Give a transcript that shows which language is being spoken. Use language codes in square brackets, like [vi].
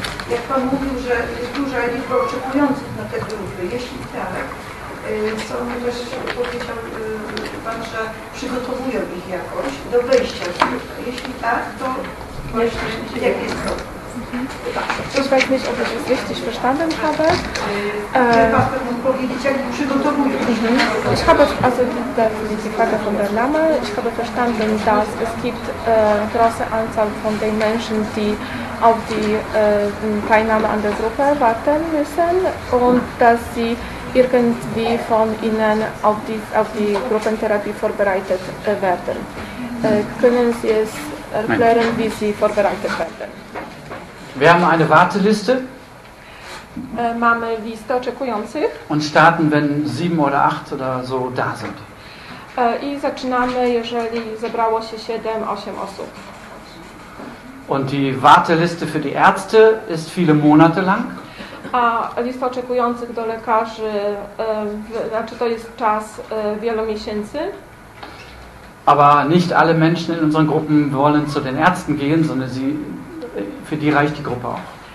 [pl] Jak Pan mówił, że jest duża liczba oczekujących na te grupy, jeśli tak, są też, powiedział Pan, że przygotowują ich jakoś do wejścia w grupę. Jeśli tak, to [de] Ich weiß nicht, ob ich es richtig verstanden habe. Ich habe also die Frage von der Name. Ich habe verstanden, dass es gibt große Anzahl von den Menschen, die auf die Teilnahme an der Gruppe warten müssen und dass sie irgendwie von ihnen auf die Gruppentherapie vorbereitet werden. Können Sie es erklären, wie Sie vorbereitet werden? Wir haben eine Warteliste. [pl] Mamy listę oczekujących. [de] Und starten, wenn 7 oder 8 oder so da sind. [pl] I zaczynamy, jeżeli zebrało się 7-8 osób. [de] Und die Warteliste für die Ärzte ist viele Monate lang. [pl] A lista oczekujących do lekarzy, znaczy to jest czas wielomiesięcy. [de] Aber nicht alle Menschen in unseren Gruppen wollen zu den Ärzten gehen, sondern sie, für die reicht die Gruppe auch.